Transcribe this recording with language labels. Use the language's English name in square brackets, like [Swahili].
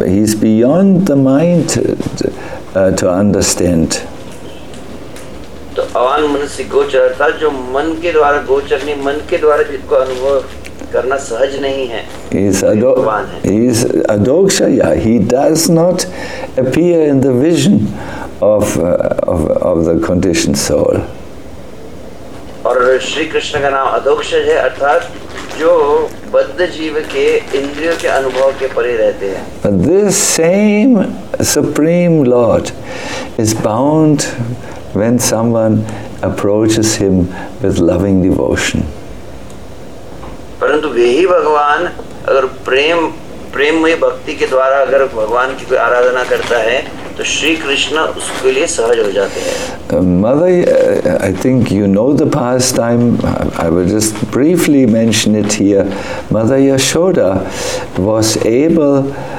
[English] He's beyond the mind to understand. [Hindi] तो [Sanskrit] अवान मनसि गोचर [Hindi] था जो मन के द्वारा गोचर नहीं मन के द्वारा जिसको अनुभव करना सहज नहीं है. [English] He's adoksha. Yeah, he does not appear in the vision of the conditioned soul. [Hindi] और श्री कृष्ण का नाम अदोक्ष है अर्थात जो बद्ध जीव के इंद्रियों के अनुभव के परे रहते हैं. [English] This same supreme lord is bound when someone approaches him with loving devotion. [Hindi] परंतु वही भगवान अगर प्रेम प्रेममय भक्ति के द्वारा अगर भगवान की कोई आराधना करता है तो श्री कृष्ण उसके लिए सहज हो जाते हैं. [English] Mother, I think you know the pastime. I will just briefly mention it here. Mother Yashoda was able.